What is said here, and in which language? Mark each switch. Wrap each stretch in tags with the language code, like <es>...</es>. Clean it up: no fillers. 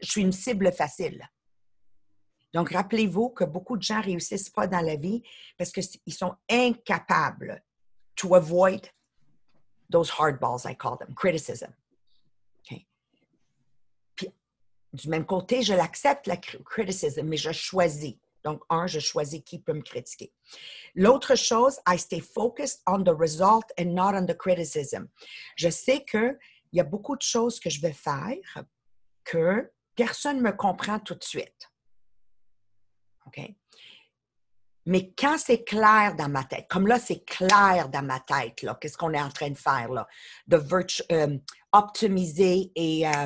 <fr>Je suis une cible facile. Donc, rappelez-vous que beaucoup de gens ne réussissent pas dans la vie parce qu'ils sont incapables</fr> <en>to avoid those hardballs, I call them, criticism.</en> <fr>Okay. Puis, du même côté, je l'accepte, la criticism, mais je choisis. Donc, un, je choisis qui peut me critiquer. L'autre chose,</fr> <en>I stay focused on the result and not on the criticism.</en> <fr>Je sais qu'il y a beaucoup de choses que je vais faire que personne ne me comprend tout de suite. OK? Mais quand c'est clair dans ma tête, comme là, c'est clair dans ma tête, là, qu'est-ce qu'on est en train de faire, là, de optimiser et...</fr>